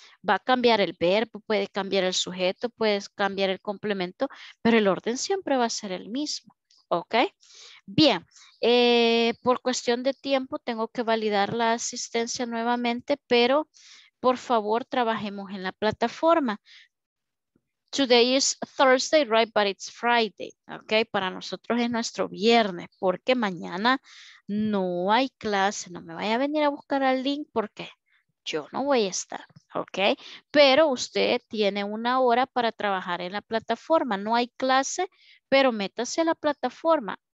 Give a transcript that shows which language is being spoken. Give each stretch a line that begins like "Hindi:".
Spanish: Va a cambiar el verbo, puede cambiar el sujeto, puede cambiar el complemento, pero el orden siempre va a ser el mismo, ¿ok? Bien, por cuestión de tiempo tengo que validar la asistencia nuevamente, pero por favor trabajemos en la plataforma.
English: Today is Thursday, right, but it's Friday, ¿ok?
Spanish: Para nosotros es nuestro viernes, porque mañana no hay clase, no me vaya a venir a buscar al link, ¿por qué? Yo no voy a estar, ¿ok? Pero usted tiene una hora para trabajar en la plataforma. No hay clase, pero métase a la plataforma.